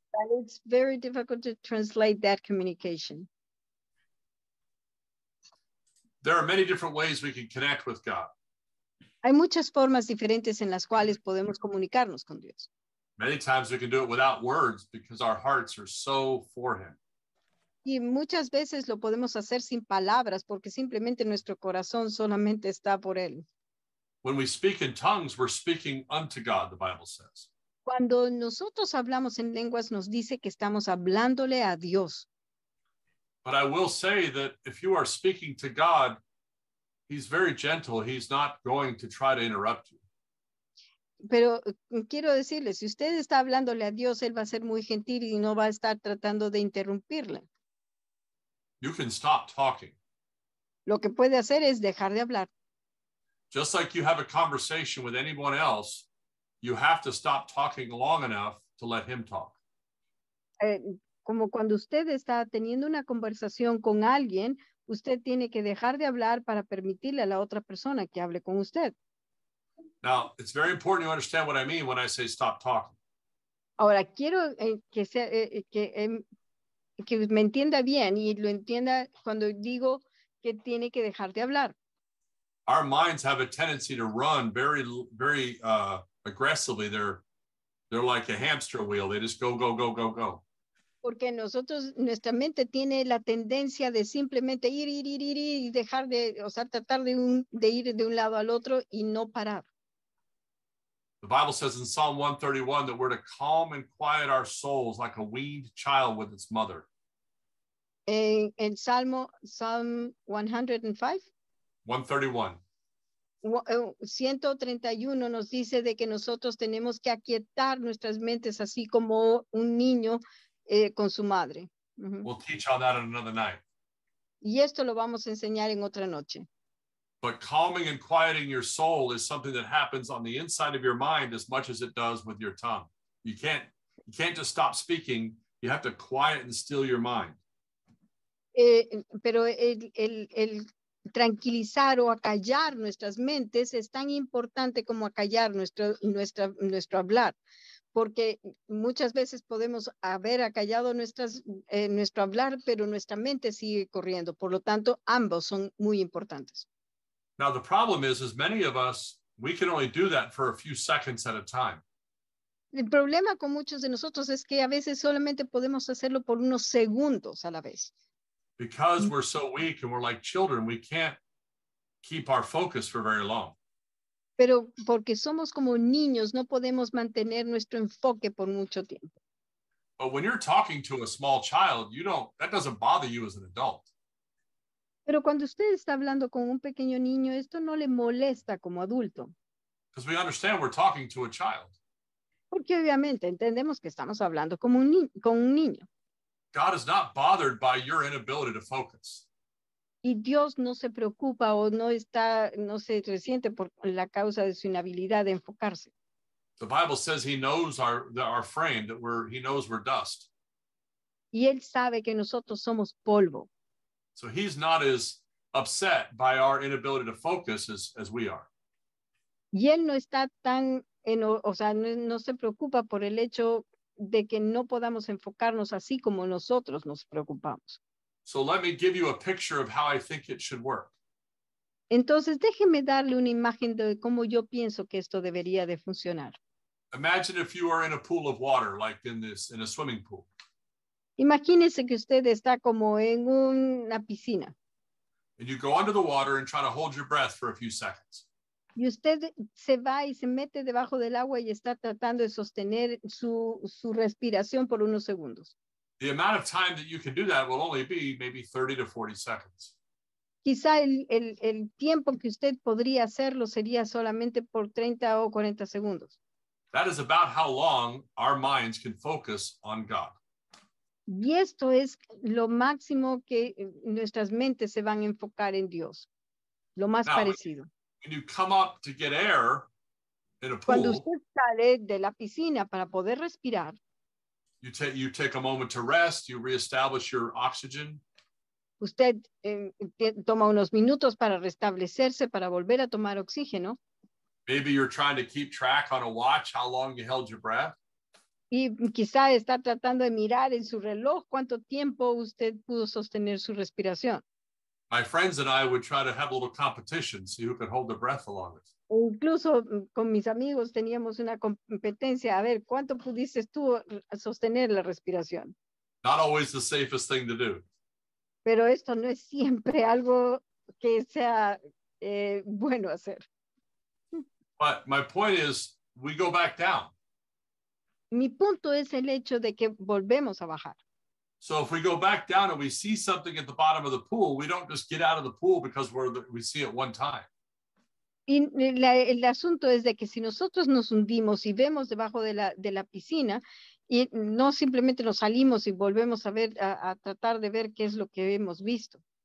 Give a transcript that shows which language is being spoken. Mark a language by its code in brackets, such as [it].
[en] And it's very difficult to translate that communication. There are many different ways we can connect with God. [es] Hay muchas formas diferentes en las cuales podemos comunicarnos con Dios. [en] Many times we can do it without words because our hearts are so for him. [es] Y muchas veces lo podemos hacer sin palabras porque simplemente nuestro corazón solamente está por él. [en] When we speak in tongues, we're speaking unto God, the Bible says. [es] Cuando nosotros hablamos en lenguas, nos dice que estamos hablándole a Dios. [en] But I will say that if you are speaking to God, he's very gentle. He's not going to try to interrupt you. [es] Pero quiero decirles, si usted está hablándole a Dios, él va a ser muy gentil y no va a estar tratando de interrumpirle. [en] You can stop talking. [es] Lo que puede hacer es dejar de hablar. [en] Just like you have a conversation with anyone else, you have to stop talking long enough to let him talk. [es] Como cuando usted está teniendo una conversación con alguien, usted tiene que dejar de hablar para permitirle a la otra persona que hable con usted. [en] Now, it's very important you understand what I mean when I say stop talking. [es] Ahora, quiero que me entienda bien y lo entienda cuando digo que tiene que dejar de hablar. [en] Our minds have a tendency to run very, very aggressively. They're like a hamster wheel. They just go, go, go, go, go. [es] Porque nosotros, nuestra mente tiene la tendencia de simplemente ir y dejar de, o sea, tratar de ir de un lado al otro y no parar. [en] The Bible says in Psalm 131 that we're to calm and quiet our souls like a weaned child with its mother. [es] En Psalm 131 nos dice de que nosotros tenemos que aquietar nuestras mentes así como un niño con su madre. [en] Mm-hmm. We'll teach on that on another night. [es] Y esto lo vamos a enseñar en otra noche. [en] But calming and quieting your soul is something that happens on the inside of your mind as much as it does with your tongue. You can't just stop speaking. You have to quiet and still your mind. [es] Pero el tranquilizar o acallar nuestras mentes es tan importante como acallar nuestro hablar. Porque muchas veces podemos haber acallado nuestro hablar, pero nuestra mente sigue corriendo. Por lo tanto, ambos son muy importantes. [en] Now, the problem is many of us, we can only do that for a few seconds at a time. [es] El problema con muchos de nosotros es que a veces solamente podemos hacerlo por unos segundos a la vez. [en] Because we're so weak and we're like children, we can't keep our focus for very long. [es] Pero porque somos como niños, no podemos mantener nuestro enfoque por mucho tiempo. [en] But when you're talking to a small child, that doesn't bother you as an adult. [es] Pero cuando usted está hablando con un pequeño niño, esto no le molesta como adulto. [en] Because we understand we're talking to a child. [es] Porque obviamente entendemos que estamos hablando como con un niño. [en] God is not bothered by your inability to focus. [es] Y Dios no se preocupa o no se resiente por la causa de su inhabilidad de enfocarse. [en] The Bible says he knows our frame, that he knows we're dust. [es] Y él sabe que nosotros somos polvo. [en] So he's not as upset by our inability to focus as we are. [es] Y él no está tan no se preocupa por el hecho de que no podamos enfocarnos así como nosotros nos preocupamos. [en] So let me give you a picture of how I think it should work. [es] Entonces déjeme darle una imagen de cómo yo pienso que esto debería de funcionar. [en] Imagine if you are in a pool of water, like in a swimming pool. [es] Imagínese que usted está como en una piscina. [en] And you go under the water and try to hold your breath for a few seconds. [es] Y usted se va y se mete debajo del agua y está tratando de sostener su respiración por unos segundos. [en] The amount of time that you can do that will only be maybe 30 to 40 seconds. [es] Quizá el tiempo que usted podría hacerlo sería solamente por 30 o 40 segundos. [en] That is about how long our minds can focus on God. [es] Y esto es lo máximo que nuestras mentes se van a enfocar en Dios. Lo más parecido. [en] When you come up to get air in a pool, [es] cuando usted sale de la piscina para poder respirar, [en] you take a moment to rest, you reestablish your oxygen. [es] Usted toma unos minutos para restablecerse, para volver a tomar oxígeno. [en] Maybe you're trying to keep track on a watch how long you held your breath. [es] Y quizá está tratando de mirar en su reloj cuánto tiempo usted pudo sostener su respiración. [en] My friends and I would try to have a little competition, see who could hold their breath the longest. [es] Incluso con mis amigos teníamos una competencia, a ver cuánto pudiste tú sostener la respiración. [en] Not always the safest thing to do. [es] Pero esto no es siempre algo que sea bueno hacer. [en] But my point is, we go back down. [es] Mi punto es el hecho de que volvemos a bajar. [en] So if we go back down and we see something at the bottom of the pool, we don't just get out of the pool because we see it one time. [es] Y el asunto es de que si nosotros nos hundimos y vemos debajo de la piscina, y no simplemente nos salimos y volvemos a ver, a tratar de ver qué es lo que hemos visto.